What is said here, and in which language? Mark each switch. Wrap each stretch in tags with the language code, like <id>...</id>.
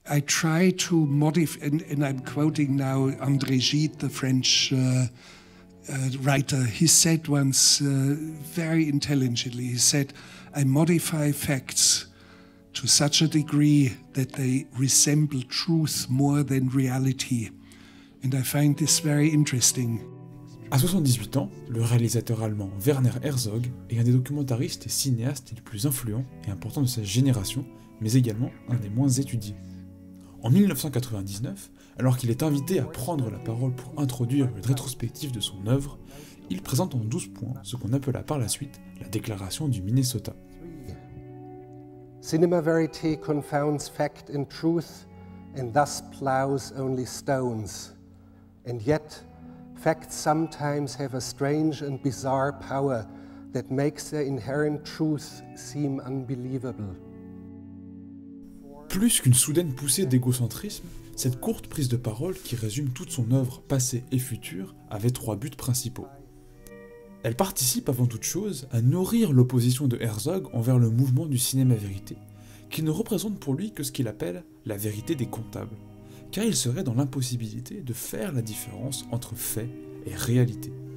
<en>I try to modify, and I'm quoting now André Gide, the French writer. He said once, very intelligently, he said, I modify facts to such a degree that they resemble truth more than reality. And I find this very interesting.</en> <fr>À 78 ans, le réalisateur allemand Werner Herzog est un des documentaristes et cinéastes les plus influents et importants de sa génération, mais également un des moins étudiés. En 1999, alors qu'il est invité à prendre la parole pour introduire une rétrospective de son œuvre, il présente en 12 points ce qu'on appela par la suite la déclaration du Minnesota.</fr> <en>Cinema verité confounds fact and truth and thus plows only stones. And yet, facts sometimes have a strange and bizarre power that makes their inherent truth seem unbelievable.</en> <fr>Plus qu'une soudaine poussée d'égocentrisme, cette courte prise de parole qui résume toute son œuvre passée et future avait trois buts principaux. Elle participe avant toute chose à nourrir l'opposition de Herzog envers le mouvement du cinéma vérité, qui ne représente pour lui que ce qu'il appelle la vérité des comptables, car il serait dans l'impossibilité de faire la différence entre fait et réalité.</fr>